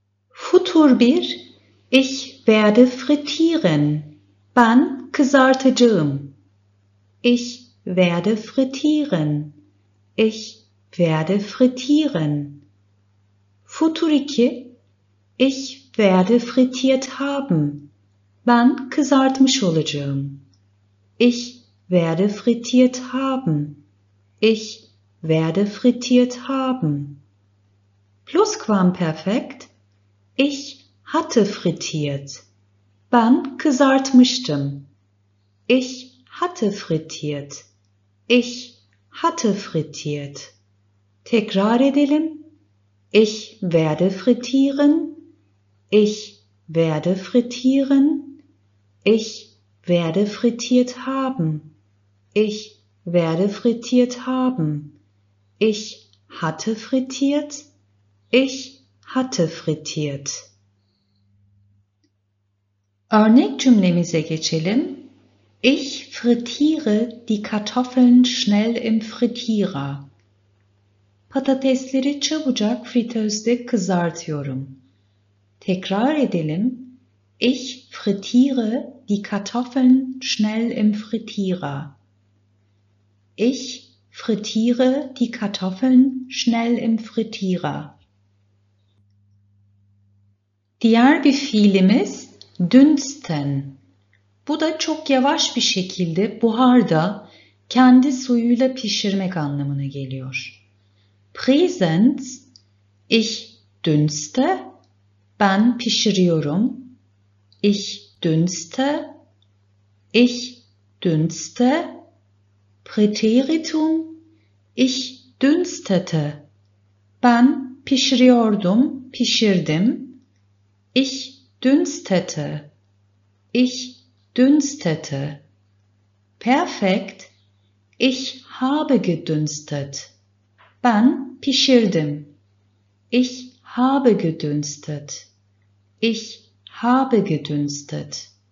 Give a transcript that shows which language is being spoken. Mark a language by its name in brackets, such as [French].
[German] Futur 1. Ich werde frittieren. [Turkish] Ben kızartacağım. [German] Ich werde frittieren. Ich werde frittieren. Futur 2. Ich werde frittiert haben. [Turkish] Ben kızartmış olacağım. [German] Ich werde frittiert haben. Ich werde frittiert haben. Plusquamperfekt. Ich hatte frittiert. [Turkish] Ben kızartmıştım. [German] Ich hatte frittiert. Ich hatte frittiert. [Turkish] Tekrar edelim. [German] Ich werde frittieren. Ich werde frittieren. Ich werde frittiert haben. Ich werde frittiert haben. Ich hatte frittiert. Ich hatte frittiert. [Turkish] Örnek cümlemize geçelim. [German] Ich frittiere die Kartoffeln schnell im Frittierer. [Turkish] Patatesleri çabucak fritözde kızartıyorum. Tekrar edelim. [German] Ich frittiere die Kartoffeln schnell im Frittierer. Ich frittiere die Kartoffeln schnell im Frittierer. [Turkish] Diğer bir fiilimiz dünsten. Bu da çok yavaş bir şekilde buharda kendi suyuyla pişirmek anlamına geliyor. [German] Präsens, ich dünste, [Turkish] ben pişiriyorum. [German] Ich dünste, ich dünste. Präteritum, ich dünstete, [Turkish] ben pişiriyordum, pişirdim. [German] Ich dünstete, ich dünstete. Perfekt, ich habe gedünstet, [Turkish] ben pişirdim. [German] Ich habe gedünstet, ich habe gedünstet.